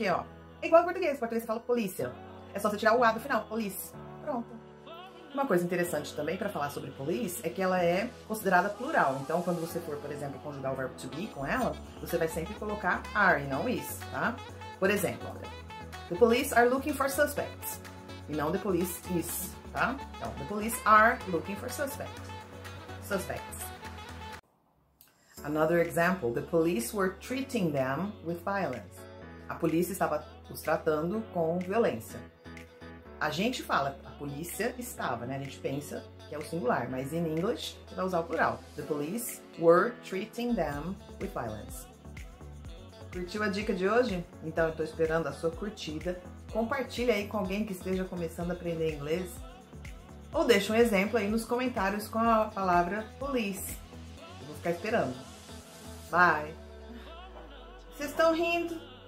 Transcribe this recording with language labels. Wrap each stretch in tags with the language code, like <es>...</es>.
<pt>Porque, ó, é igual ao português. O português fala polícia. É só você tirar o A do final. Police. Pronto. Uma coisa interessante também pra falar sobre police é que ela é considerada plural. Então, quando você for, por exemplo, conjugar o verbo to be com ela, você vai sempre colocar are e não is, tá? Por exemplo, olha.</pt> <en>The police are looking for suspects.</en> <pt>E não</pt> <en>the police is, tá?</en> <pt>Então,</pt> <en>the police are looking for suspects. Suspects. Another example, the police were treating them with violence.</en> <pt>A polícia estava os tratando com violência. A gente fala, a polícia estava, né? A gente pensa que é o singular, mas</pt> <en>in English,</en> <pt>você vai usar o plural.</pt> <en>The police were treating them with violence.</en> <pt>Curtiu a dica de hoje? Então, eu tô esperando a sua curtida. Compartilha aí com alguém que esteja começando a aprender inglês. Ou deixa um exemplo aí nos comentários com a palavra police. Eu vou ficar esperando. Bye. Vocês estão rindo?</pt>